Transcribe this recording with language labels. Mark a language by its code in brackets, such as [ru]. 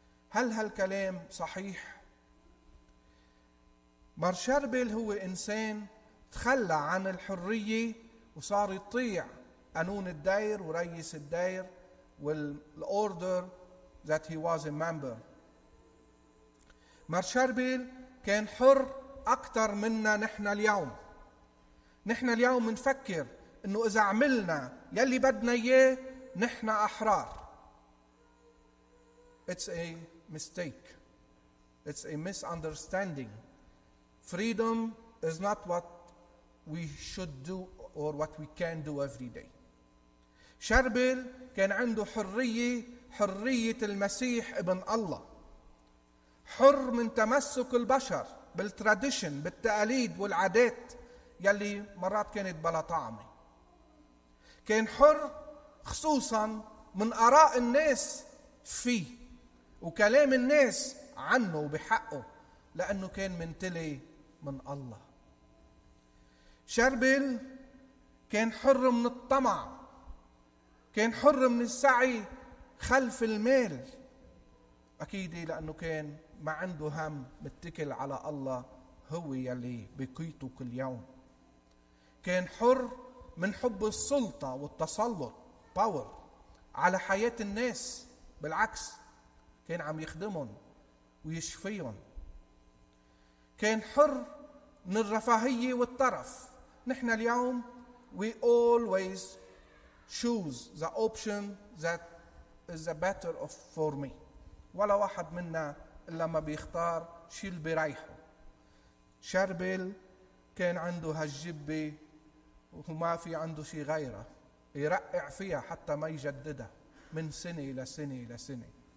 [ar] هل هالكلام صحيح؟ مار شربل هو إنسان تخلى عن الحرية وصار يطيع قانون الدير ورئيس الدير والأوردر [en] that he was a member. [ar] مار شربل كان حر أكتر منا نحن اليوم. نحن اليوم منفكر إنه إذا عملنا يلي بدنا إياه نحن أحرار. [en] It's a mistake. It's a misunderstanding. Freedom is not what we should do or what we can do every day. [ar] شربل كان عنده حرية، حرية المسيح ابن الله. حر من تمسك البشر بالتراديشن، بالتقاليد والعادات يلي مرات كانت بلا طعمة. كان حر خصوصا من آراء الناس فيه وكلام الناس عنه وبحقه، لأنه كان منتلي من الله. شربل كان حر من الطمع، كان حر من السعي خلف المال، أكيد لأنه كان ما عنده هم، متكل على الله هو يلي بقيته كل يوم. كان حر من حب السلطة والتسلط power على حياة الناس، بالعكس كان عم يخدمهم ويشفيهم. كان حر من الرفاهية والطرف. نحن اليوم [en] we always choose the option that is the better of for me. [ar] ولا واحد منا إلا ما بيختار شيل بريحه. شربل كان عنده هالجبة وما في عنده شي غيره يرقع فيها حتى ما يجددها من سنة إلى سنة إلى سنة.